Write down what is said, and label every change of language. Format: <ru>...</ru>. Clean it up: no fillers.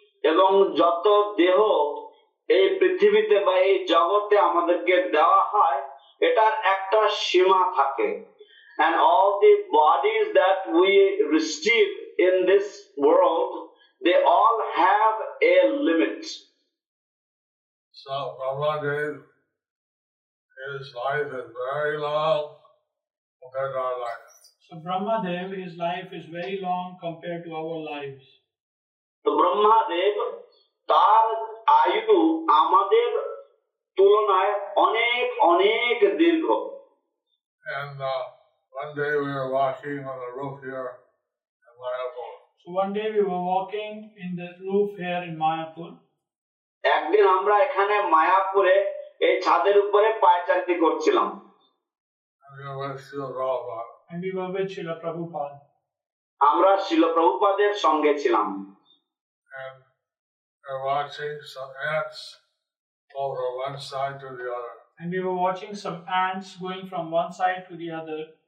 <bn>এবং যত দেহ এই পৃথিবীতে বা এই জগতে আমাদেরকে দেওয়া হয় এটার একটা সীমা থাকে।</bn> <en>And all the bodies that we receive in this world, they all have a limit. So Brahmadev, his life is very long compared to our life. So Brahmadev, his life is very long compared to our lives.</en> <bn>Brahmadev তার আয়ু আমাদের তুলনায় অনেক অনেক দীর্ঘ।</bn> <en>And one day we were walking on the roof here in Mayapur. So one day we were walking in the roof here in Mayapur.</en> <bn>একদিন আমরা এখানে মায়াপুরে এই ছাদের উপরে পায়চারি করছিলাম।</bn> <en>And we were with Srila Prabhupada. And we were with Srila Prabhupada.</en> <bn>আমরা Srila Prabhupada-এর সঙ্গে ছিলাম।</bn> <en>And we're watching some ants go from one side to the other. And we were watching some ants going from one side to the other.</en>